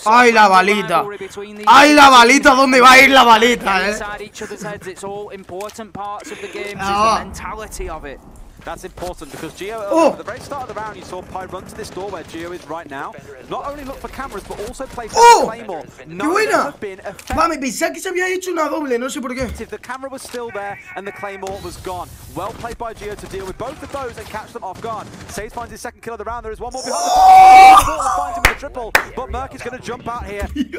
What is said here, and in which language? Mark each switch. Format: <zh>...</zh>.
<es>Ay, la balita. Ay, la balita. ¿Dónde va a ir la balita, eh?</es> <en>Inside each other's heads, it's all important parts of the game. It's the mentality of it. That's important because Geo at the very start of the round you saw Pi run to this door where Geo is right now. Not only look for cameras but also play for the claymore.</en> <es>¡Qué buena! Que se había hecho una doble, no sé por qué.</es> <en>The camera was still there and the claymore was gone. Well played by Geo to deal with both of those and catch them off guard. Saves finds his second kill of the round. There is one more behind. Finds him with a triple, but Merc is going to jump out here.</en>